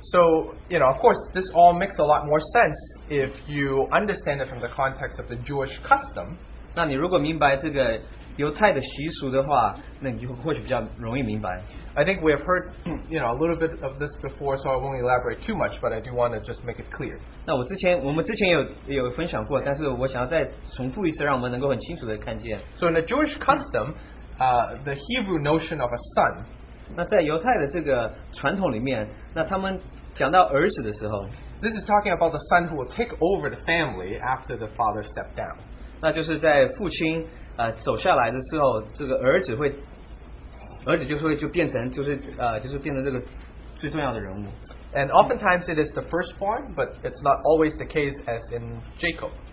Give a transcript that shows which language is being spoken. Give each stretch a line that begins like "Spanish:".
English: So, you know, of course, this all makes a lot more sense if you understand it from the context of the Jewish custom.
Chinese: 那你如果明白这个
English: I think we have heard, you know, a little bit of this before, so I won't elaborate too much, but I do want to just make it clear.
Chinese: 那我们之前有分享过,但是我想要再重复一次,让我们能够很清楚地看见。
English: So in the Jewish custom, the Hebrew notion of a son,
Chinese: 那在犹太的这个传统里面,那他们讲到儿子的时候,
English: this is talking about the son who will take over the family after the father stepped down.
Chinese: 那就是在父亲 走下来的时候,这个儿子就会变成这个最重要的人物。
English: And oftentimes it is the firstborn, but it's not always the case as in Jacob.